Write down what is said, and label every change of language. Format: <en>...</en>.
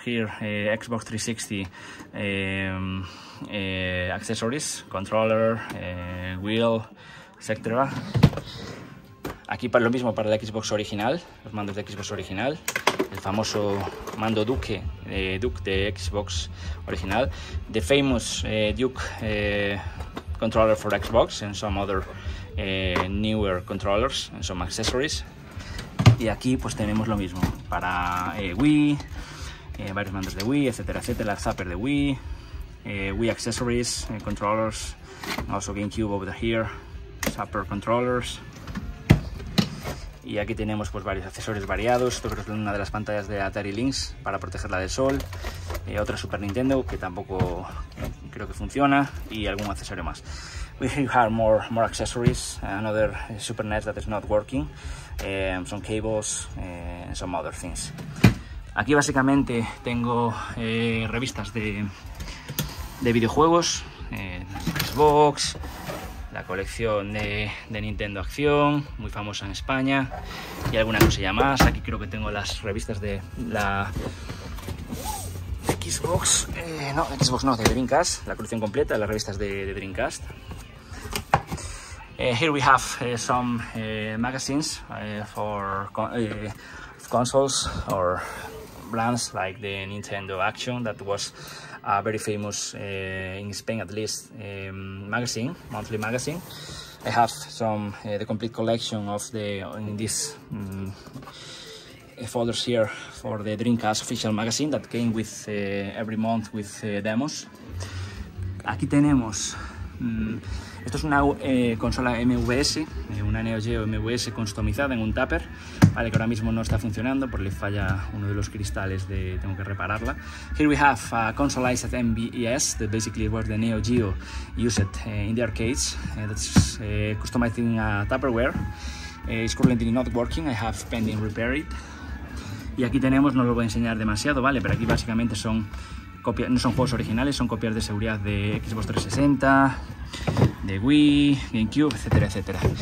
<en>Here, Xbox 360 accessories, controller, wheel, etc.</en> <es>Aquí para lo mismo para la Xbox original, los mandos de Xbox original. El famoso mando Duke de Xbox original.</es> <en>The famous Duke controller for Xbox and some other newer controllers and some accessories.</en> <es>Y aquí pues tenemos lo mismo para Wii, varios mandos de Wii, etcétera, etcétera. El zapper de Wii,</es> <en>Wii accessories, controllers, also GameCube over here, zapper controllers.</en> <es>Y aquí tenemos pues varios accesorios variados. Esto creo que es una de las pantallas de Atari Lynx para protegerla del sol. Otra Super Nintendo que tampoco creo que funciona. Y algún accesorio más.</es> <en>We have more accessories. Another Super NES that is not working. Some cables and some other things.</en> <es>Aquí básicamente tengo revistas de videojuegos. Xbox. La colección de Nintendo Acción, muy famosa en España, y alguna cosilla más. Aquí creo que tengo las revistas de la Xbox, de Dreamcast, la colección completa, las revistas de Dreamcast.</es> <en>Here we have some magazines for consoles or brands like the Nintendo Action that was a very famous in Spain at least magazine, monthly magazine. I have some the complete collection of the in this folders here for the Dreamcast official magazine that came with every month with demos.</en> <es>Aquí tenemos esto es una consola MVS, una Neo Geo MVS customizada en un tupper, vale, que ahora mismo no está funcionando porque le falla uno de los cristales, tengo que repararla.</es> <en>Here we have a consoleized MVS that basically was the Neo Geo used in the arcades, that's customized in a tupperware. It's currently not working, I have pending repair it.</en> <es>Y aquí tenemos, no lo voy a enseñar demasiado, vale, pero aquí básicamente son copias, no son juegos originales, son copias de seguridad de Xbox 360, de Wii, GameCube, etcétera, etcétera.</es>